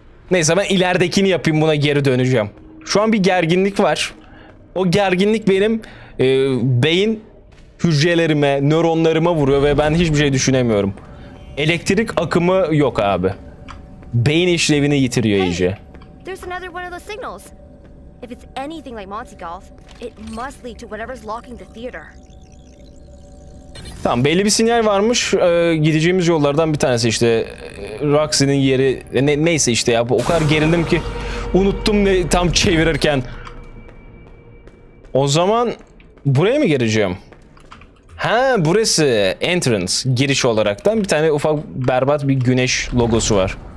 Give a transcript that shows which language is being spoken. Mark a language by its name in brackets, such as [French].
[Turkish] Neyse ben ileridekini yapayım, buna geri döneceğim. Şu an bir gerginlik var. O gerginlik benim beyin hücrelerime, nöronlarıma vuruyor ve ben hiçbir şey düşünemiyorum. Elektrik akımı yok abi. Beyin işlevini yitiriyor iyice. [English] There's another one of those signals. If it's anything like Montegolf, it must lead to whatever's locking the theater. [Turkish] Tamam, belli bir sinyal varmış. Gideceğimiz yollardan bir tanesi işte Roxy'nin yeri, neyse işte ya, o kadar gerildim ki unuttum ne tam çevirirken. O zaman buraya mı gireceğim? Ha, burası entrance, giriş olaraktan bir tane ufak berbat bir güneş logosu var.